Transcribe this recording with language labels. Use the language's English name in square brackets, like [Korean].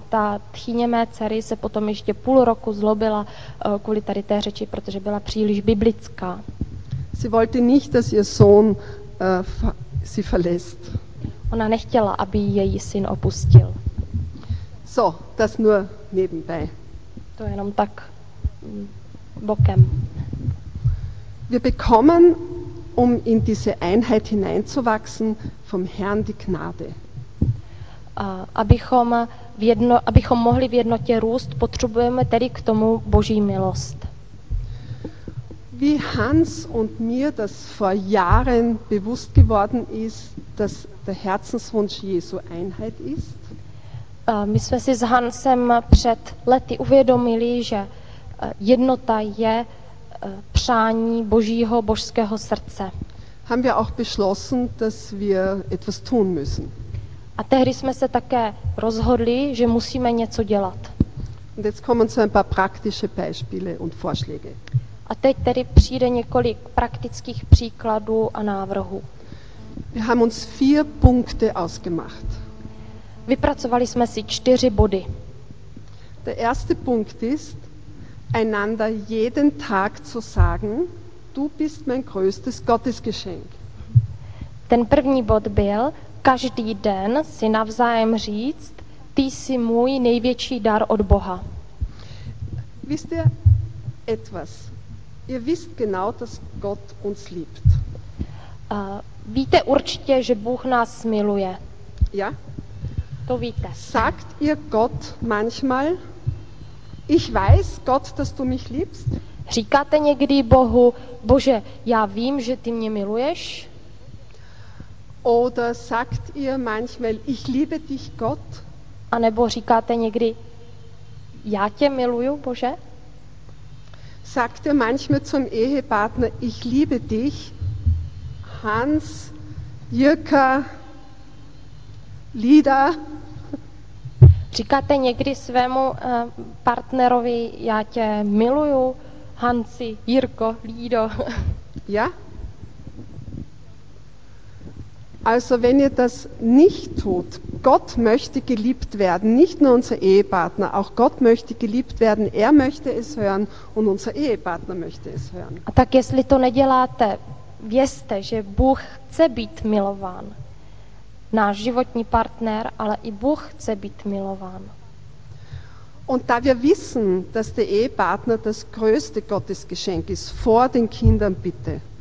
[Czech] Ta tchyně mé dcery se potom ještě půl roku zlobila kvůli tady té řeči, protože byla příliš biblická. [German] Sie wollte nicht, dass ihr Sohn sie verlässt. [Czech] Ona nechtěla, aby její syn opustil. [German] So, das nur nebenbei. [Czech] To jenom tak bokem. [German] Wir bekommen, um in diese Einheit hineinzuwachsen, vom Herrn die Gnade. [Czech] Abychom mohli v jednotě růst, potřebujeme tedy k tomu Boží milost. [German] Wie Hans und mir das vor Jahren bewusst geworden ist, dass der Herzenswunsch Jesu Einheit ist. [Czech] My jsme si s Hansem před lety uvědomili, že jednota je přání Božího, božského srdce. [German] Haben wir auch beschlossen, dass wir etwas tun müssen. [Czech] A tehdy jsme se také rozhodli, že musíme něco dělat. [German] Und jetzt kommen so ein paar praktische Beispiele und Vorschläge. [Czech] A teď tedy přijde několik praktických příkladů a návrhů. [German] Wir haben uns 4 Punkte ausgemacht. [Czech] Vypracovali jsme si 4 body. [German] Der erste Punkt ist, einander jeden Tag zu sagen, du bist mein größtes Gottesgeschenk. [Czech] Ten první bod byl, každý den si navzájem říct, ty jsi můj největší dar od Boha. [German] Wisst ihr etwas? Ihr wisst genau, dass Gott uns liebt. [Czech] Víte určitě, že Bůh nás miluje. [German] Ja? [Czech] To víte. [German] Sagt ihr Gott manchmal, ich weiß, Gott, dass du mich liebst? [Czech] Říkáte někdy Bohu, Bože, já vím, že ty mě miluješ? [German] Oder sagt ihr manchmal, ich liebe dich, Gott? [Czech] A nebo říkáte někdy, já tě miluju, Bože? [German] Sagt ihr manchmal zum Ehepartner, ich liebe dich, Hans, Jirka, Lida? [Czech] Říkáte někdy svému partnerovi, já tě miluju, Hansi, Jirko, Lido? [German] Ja? Also wenn ihr das nicht tut, Gott möchte geliebt werden, nicht nur unser Ehepartner, auch Gott möchte geliebt werden, er möchte es hören und unser Ehepartner möchte es hören. [Czech] A tak jestli to neděláte, vězte, že Bůh chce být milován. Náš životní partner, ale i Bůh chce být milován. [German] Und da wir wissen, dass der Ehepartner das größte Gottesgeschenk ist, vor den Kindern bitte.